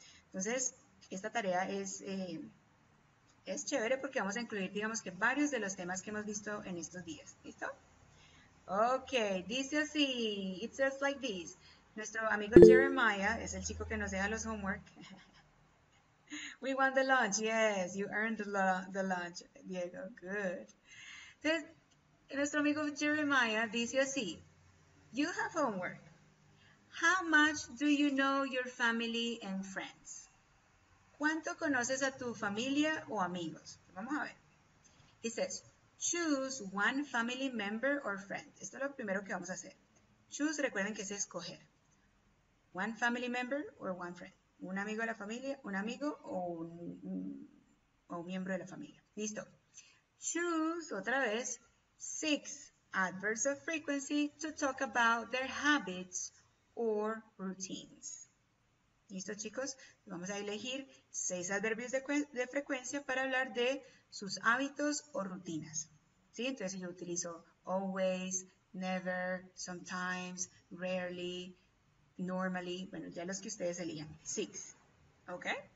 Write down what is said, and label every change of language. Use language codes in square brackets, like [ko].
[es] Entonces, esta tarea es chévere porque vamos a incluir, digamos que, varios de los temas que hemos visto en estos días, ¿listo? Ok, dice así, [en] it says like this. [es] Nuestro amigo Jeremiah es el chico que nos deja los homework. [en] We want the lunch, yes, you earned the lunch, Diego, good. [es] Entonces, nuestro amigo Jeremiah dice así, [en] you have homework. How much do you know your family and friends? [es] ¿Cuánto conoces a tu familia o amigos? Vamos a ver. [en] He says, choose one family member or friend. [es] Esto es lo primero que vamos a hacer. Choose, recuerden que es escoger. [en] One family member or one friend. [es] Un amigo de la familia, un amigo o un miembro de la familia. Listo. [en] Choose, [es] otra vez, [en] 6 adverbs of frequency to talk about their habits or routines. [es] ¿Listo, chicos? Vamos a elegir 6 adverbios de frecuencia para hablar de sus hábitos o rutinas. ¿Sí? Entonces, yo utilizo [en] always, never, sometimes, rarely, normally. [es] Bueno, ya los que ustedes elijan. 6. ¿Ok?